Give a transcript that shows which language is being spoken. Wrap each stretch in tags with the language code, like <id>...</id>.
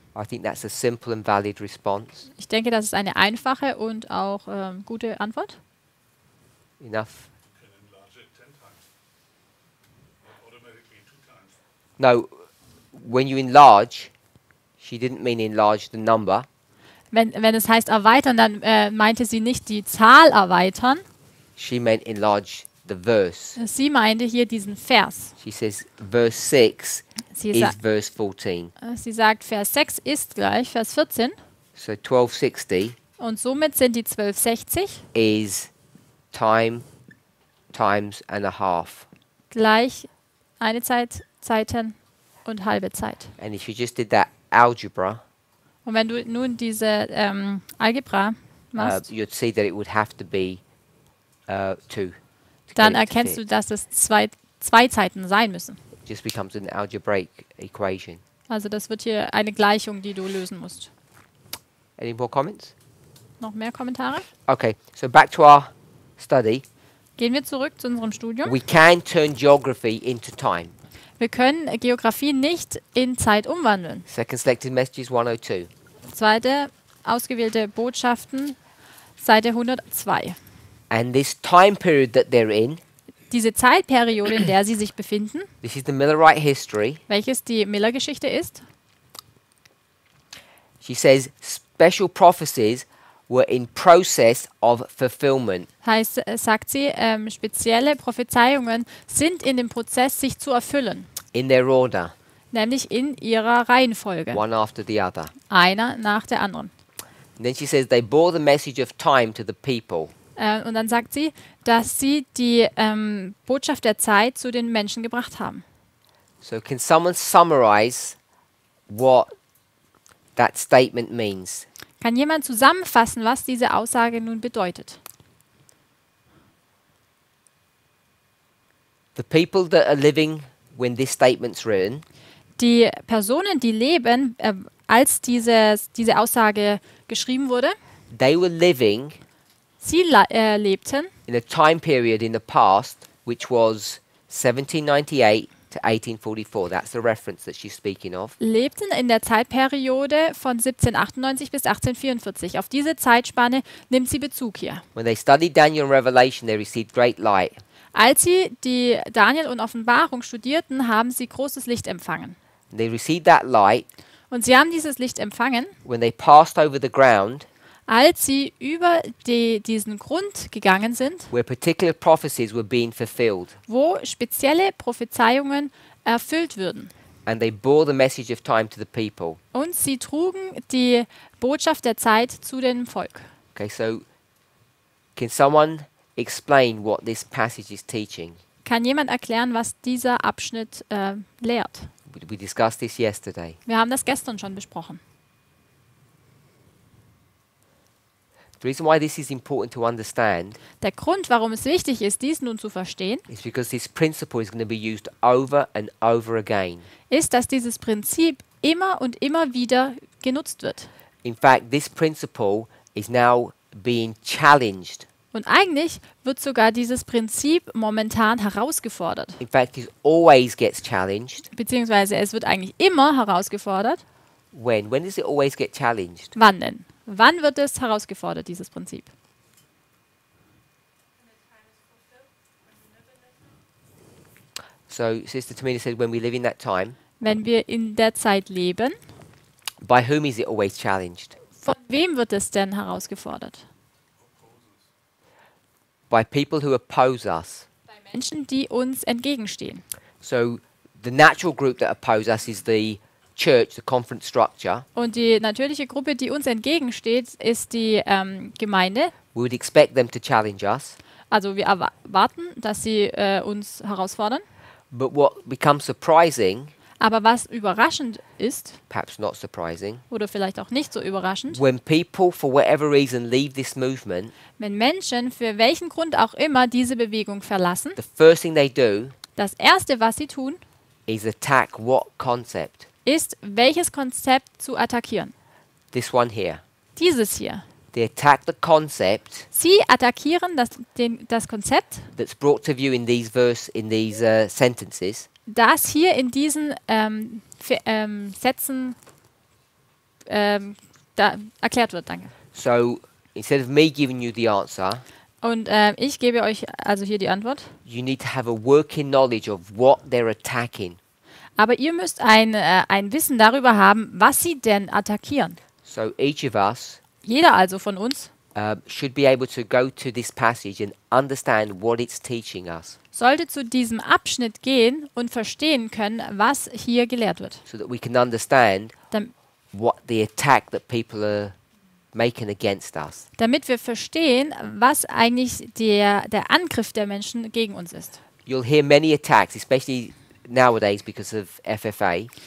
<en>I think that's a simple and valid response.</en> <de>Ich denke, das ist eine einfache und auch gute Antwort.</de> <en>Enough. You can enlarge it 10 times. Not automatically 2 times. No, when you enlarge, she didn't mean enlarge the number.</en> <de>Wenn es heißt erweitern, dann meinte sie nicht die Zahl erweitern.</de> <en>She meant enlarge the verse.</en> <de>Sie meinte hier diesen Vers.</de> <en>She says verse 6 is verse 14.</en> <de>Sie sagt Vers 6 ist gleich Vers 14.</de> <en>So 1260.</en> <de>Und somit sind die 1260</de> <en>is time times and a half.</en> <de>Gleich eine Zeit, Zeiten und halbe Zeit.</de> <en>And if you just did that algebra.</en> <de>Und wenn du nun diese Algebra machst,</de> <en>you'd see that it would have to be two.</en> <de>Dann erkennst du, dass es zwei Zeiten sein müssen.</de> <en>It just becomes an algebraic equation.</en> <de>Also das wird hier eine Gleichung, die du lösen musst.</de> <en>Any more comments?</en> <de>Noch mehr Kommentare?</de> <en>Okay, so back to our study.</en> <de>Gehen wir zurück zu unserem Studium.</de> <en>We can turn geography into time.</en> <de>Wir können Geografie nicht in Zeit umwandeln.</de> <en>Second selected messages 102.</en> <de>Zweite ausgewählte Botschaften, Seite 102.</de> <en>And this time period that they're in,</en> <de>diese Zeitperiode, in der sie sich befinden,</de> <en>this is the Millerite history,</en> <de>welches die Miller-Geschichte ist.</de> <en>She says special prophecies were in process of fulfillment.</en> <de>Heißt, sagt sie, spezielle Prophezeiungen sind in dem Prozess, sich zu erfüllen.</de> <en>In their order.</en> <de>Nämlich in ihrer Reihenfolge.</de> <en>One after the other.</en> <de>Einer nach der anderen.</de> <en>And then she says they bore the message of time to the people.</en> <de>Und dann sagt sie, dass sie die Botschaft der Zeit zu den Menschen gebracht haben.</de> <en>So can someone summarize what that statement means?</en> <de>Kann jemand zusammenfassen, was diese Aussage nun bedeutet?</de> <en>The people that are living when this statement's written,</en> <de>die Personen, die leben, als diese Aussage geschrieben wurde,</de> <en>they were living.</en> <de>Sie lebten</de> <en>in a time period in the past, which was 1798 to 1844. That's the reference that she's speaking of.</en> <de>Lebten in der Zeitperiode von 1798 bis 1844. Auf diese Zeitspanne nimmt sie Bezug hier.</de> <en>When they studied Daniel and Revelation, they received great light.</en> <de>Als sie die Daniel und Offenbarung studierten, haben sie großes Licht empfangen.</de> <en>And they received that light.</en> <de>Und sie haben dieses Licht empfangen.</de> <en>When they passed over the ground.</en> <de>Als sie über diesen Grund gegangen sind,</de> <en>where particular prophecies were being fulfilled,</en> <de>wo spezielle Prophezeiungen erfüllt würden,</de> <en>and they bore the message of time to the people,</en> <de>und sie trugen die Botschaft der Zeit zu dem Volk.</de> <en>Okay, so can someone explain what this passage is teaching?</en> <de>Kann jemand erklären, was dieser Abschnitt lehrt?</de> <en>We discussed this yesterday.</en> <de>Wir haben das gestern schon besprochen.</de> <en>The reason why this is important to understand,</en> <de>der Grund, warum es wichtig ist, dies nun zu verstehen,</de> <en>is because this principle is going to be used over and over again.</en> <de>Ist, dass dieses Prinzip immer und immer wieder genutzt wird.</de> <en>In fact, this principle is now being challenged.</en> <de>Und eigentlich wird sogar dieses Prinzip momentan herausgefordert.</de> <en>In fact, it always gets challenged.</en> <de>Beziehungsweise es wird eigentlich immer herausgefordert.</de> <en>When does it always get challenged?</en> <de>Wann denn? Wann wird es herausgefordert, dieses Prinzip?</de> <en>So, Sister Tamina said, when we live in that time.</en> <de>Wenn wir in der Zeit leben.</de> <en>By whom is it always challenged?</en> <de>Von wem wird es denn herausgefordert?</de> <en>By people who oppose us.</en> <de>Bei Menschen, die uns entgegenstehen.</de> <en>So, the natural group that oppose us is the church, the conference structure.</en> <de>Und die natürliche Gruppe, die uns entgegensteht, ist die Gemeinde.</de> <en>We would expect them to challenge us.</en> <de>Also wir erwarten, dass sie uns herausfordern.</de> <en>But what becomes surprising,</en> <de>aber was überraschend ist,</de> <en>perhaps not surprising,</en> <de>oder vielleicht auch nicht so überraschend,</de> <en>when people for whatever reason leave this movement,</en> <de>wenn Menschen für welchen Grund auch immer diese Bewegung verlassen,</de> <en>the first thing they do,</en> <de>das Erste, was sie tun,</de> <en>is attack what concept?</en> <de>Ist, welches Konzept zu attackieren.</de> <en>This one here.</en> <de>Dieses hier.</de> <en>They attack the concept,</en> <de>sie attackieren das Konzept,</de> <en>that's brought to view in these verse, in these sentences,</en> <de>das hier in diesen Sätzen da erklärt wird, danke.</de> <en>So, instead of me giving you the answer,</en> <de>und ich gebe euch also hier die Antwort.</de> <en>You need to have a working knowledge of what they're attacking.</en> <de>Aber ihr müsst ein Wissen darüber haben, was sie denn attackieren.</de> <en>So each of us,</en> <de>jeder also von uns,</de> <en>should be able to go to this passage and understand what it's teaching us.</en> <de>Sollte zu diesem Abschnitt gehen und verstehen können, was hier gelehrt wird.</de> <en>So that we can understand what the attack that people are making against us.</en> <de>Damit wir verstehen, was eigentlich der Angriff der Menschen gegen uns ist.</de> <en>You'll hear many attacks, especially nowadays because of FFA.</en>